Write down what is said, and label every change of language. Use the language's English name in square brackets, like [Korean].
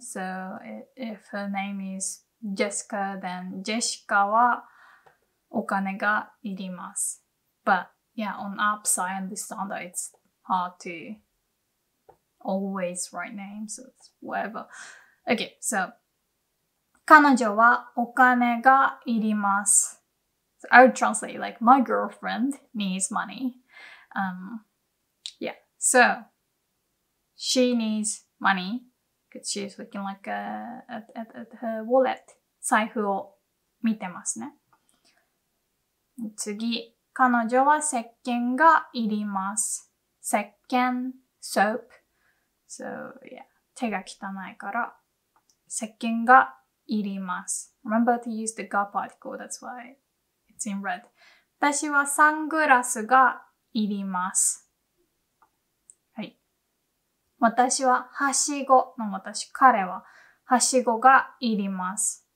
[English] So if her name is Jessica, then Jessica [Japanese] はお金がいります。 [English] But yeah, on apps, I understand that it's hard to always write names, so it's whatever. Okay, so... [Japanese] 彼女はお金がいります。 [English] So I would translate like, my girlfriend needs money. Yeah, so, she needs money. Because she's looking like at her wallet. [Japanese] 財布を見てますね。次、彼女は石鹸がいります。石鹸、 [English] soap. So, yeah, [Japanese] 手が汚いから、石鹸がいります。 [English] Remember to use the が particle, that's why it's in red. [Japanese] 私はサングラスがいります。はい。私ははしごの私、彼ははしごがいります。